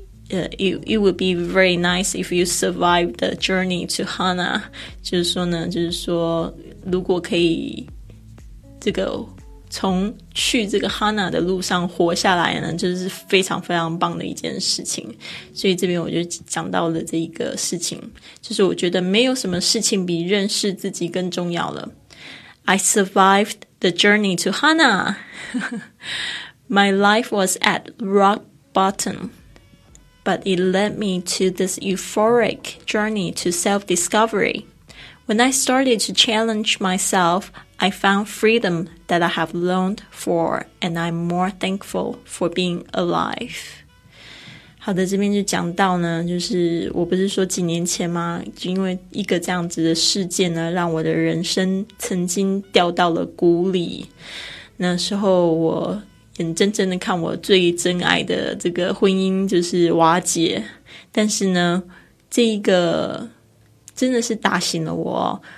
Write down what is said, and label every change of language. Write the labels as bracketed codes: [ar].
[en] it would be very nice if you survive the journey to Hana， [zh] 就是说如果可以这个从去这个 Hana 的路上活下来呢，就是非常非常棒的一件事情。所以这边我就讲到了这一个事情，就是我觉得没有什么事情比认识自己更重要了。 [en] I survived the journey to Hana. My life was at rock bottom, but it led me to this euphoric journey to self-discovery. When I started to challenge myselfI found freedom that I have longed for, and I'm more thankful for being alive. [zh] 好的，这边就讲到呢，就是我不是说几年前吗？就因为一个这样子的事件呢，让我的人生曾经掉到了谷里。那时候我眼睁睁的看我最珍爱的这个婚姻就是瓦解，但是呢，这一个真的是打醒了我。